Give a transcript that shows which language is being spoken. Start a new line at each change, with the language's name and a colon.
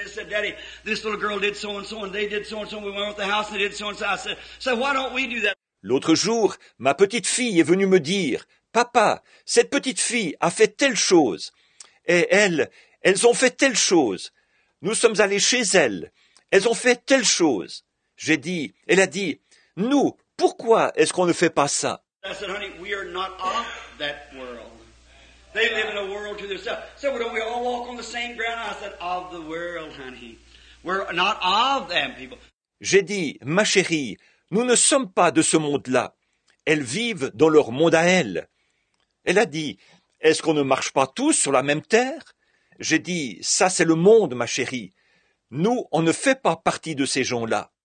English: Daddy, this little girl did so and so, and they did so and so. We went out the house, and they did so and so. I said, so why don't we do that?
French: L'autre jour, ma petite fille est venue me dire, papa, cette petite fille a fait telle chose, et elles ont fait telle chose. Nous sommes allés chez elles ont fait telle chose. J'ai dit, elle a dit, nous, pourquoi est-ce qu'on ne fait pas ça?
English: I said, honey, we are not of that world. They live in a world to themselves. So don't we all walk on the same ground? I said, of the world, honey. We're not of them, people.
French: J'ai dit, ma chérie, nous ne sommes pas de ce monde-là. Elles vivent dans leur monde à elles. Elle a dit, est-ce qu'on ne marche pas tous sur la même terre? J'ai dit, ça c'est le monde, ma chérie. Nous, on ne fait pas partie de ces gens-là.